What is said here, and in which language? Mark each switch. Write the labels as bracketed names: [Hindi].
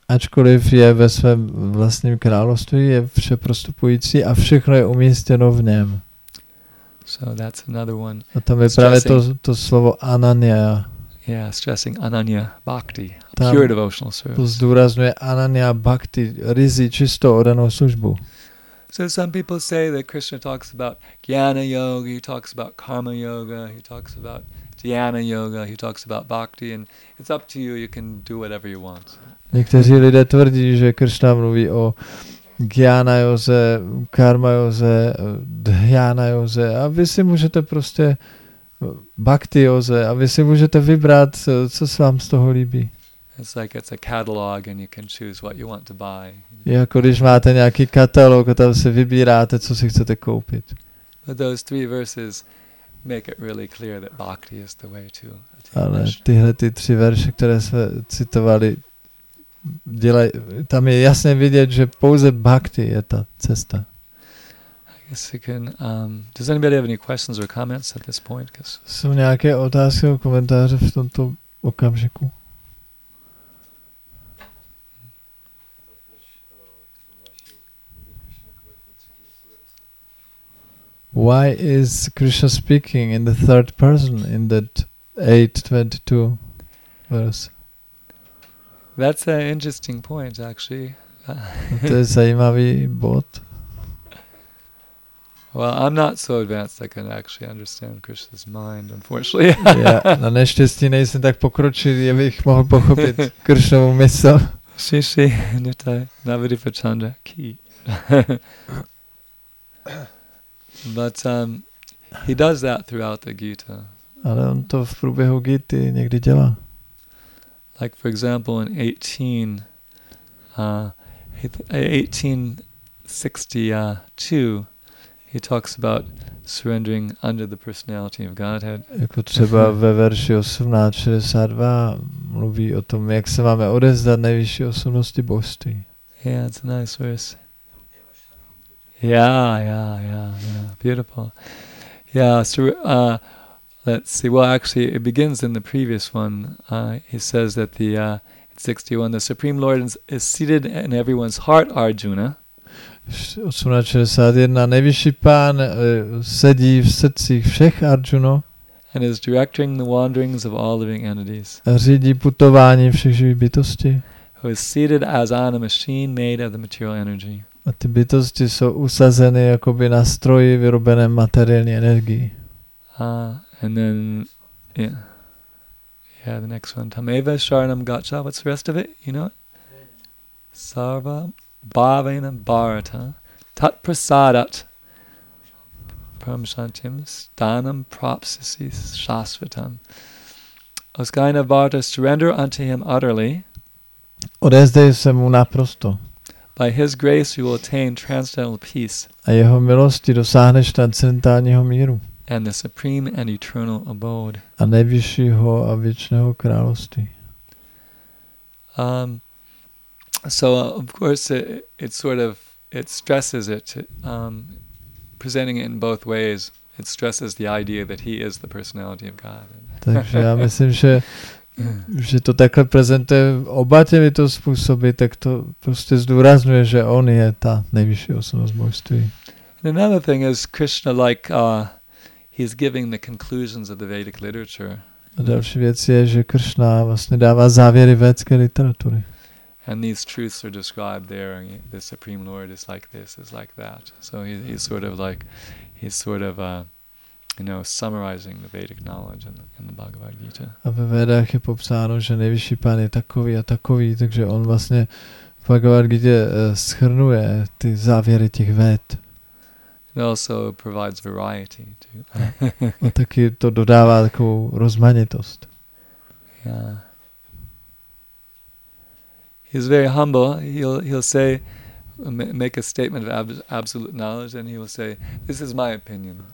[Czech] Ačkoliv je ve svém vlastním království, je vše prostupující a všechno je umístěno v něm. [English] So that's another one. [Czech] A tam je právě to slovo ananya. [English] Yeah, stressing ananya bhakti, pure devotional service. [Czech] To zdůrazňuje ananya bhakti, ryzí čistou oddanou službu. [English] So some people say that Krishna talks about jnana yoga, he talks about karma yoga, he talks about dhyana yoga, he talks about bhakti, and it's up to you, you can do whatever you want. [Czech] Někteří lidé tvrdí, že Krishna mluví o jnana yoze, karma yoze, dhyana yoze, a vy si můžete prostě bhakti yoze, a vy si můžete vybrat, co se vám z toho líbí. [English] It's like it's a catalog and you can choose what you want to buy. [Czech] Jako když máte nějaký katalog, a tam si vybíráte, co si chcete koupit. [English] But those three verses make it really clear that bhakti is the way to. [Czech] Ale tyhle ty tři verše, které jsme citovali, tam je jasně vidět, že pouze bhakti je ta cesta. [English] I guess you can. Does anybody have any questions or comments at this point? [Czech] Jsou nějaké otázky nebo komentáře v tomto okamžiku? [English] Why is Krishna speaking in the third person in that 8:22 verse? That's an interesting point, actually. [Czech] To je zajímavý bod. [English] Well, I'm not so advanced I can actually understand Krishna's mind, unfortunately. [Czech] Yeah, na neštěstí nejsem tak pokročilý, abych mohl pochopit Krishnovu mysl. Shishi, Nitai, Navadipachandra, Ki. [English] But he does that throughout the Gita. [Czech] Ale on to v průběhu Gity někdy dělá. [English] Like, for example, in 1862, he talks about surrendering under the personality of Godhead. [Czech] Jako třeba ve verši 1862 mluví o tom, jak se máme odevzdat nejvyšší osobnosti božství. [English] Yeah, it's a nice verse. Yeah. Beautiful. Yeah, so let's see. Well, actually, it begins in the previous one. He says that the 61, the Supreme Lord is seated in everyone's heart, Arjuna. [Czech] 1861, nejvyšší pán sedí v srdcích všech, Arjuno. [English] And is directing the wanderings of all living entities. [Czech] A řídí putování všech živých bytostí. [English] Who is seated as on a machine made of the material energy. [Czech] A ty bytosti jsou usazeny jakoby na stroji vyrobené materiální energií. [English] And then, yeah, the next one. [Sanskrit] Tameva sharanam gacha. [English] What's the rest of it? You know it? [Sanskrit] Sarva bhavena bharata tat prasadat param shantim stanam propsisi shasvatam. Uskaina bharata, [English] surrender unto him utterly. [Czech] Odezdej se mu naprosto. [English] By his grace you will attain transcendental peace. [Czech] A jeho milosti dosáhneš transcendentálního míru. [English] And the supreme and eternal abode. [Czech] A nejvyššího a věčného království. [English] Of course it stresses it presenting it in both ways. It stresses the idea that he is the personality of God. [Czech] Takže já myslím, že to takhle prezentuje oba těmito způsoby, tak to prostě zdůrazňuje, že on je ta nejvyšší osobnost božství. [English] Another thing is Krishna, like he's giving the conclusions of the Vedic literature. [Czech] A další věc je, že Krishna vlastně dává závěry védské literatury. [English] And these truths are described there. The Supreme Lord is like this, is like that. So he's summarizing the Vedic knowledge in the Bhagavad Gita. [Czech] A ve Vedách je popsáno, že nejvyšší pán je takový a takový, takže on vlastně v Bhagavad Gita shrnuje ty závěry těch Véd. [English] It also provides variety too. [Czech] A taky to dodává takovou rozmanitost. [English] Yeah. He's very humble. He'll say, make a statement of absolute knowledge, and he will say, this is my opinion.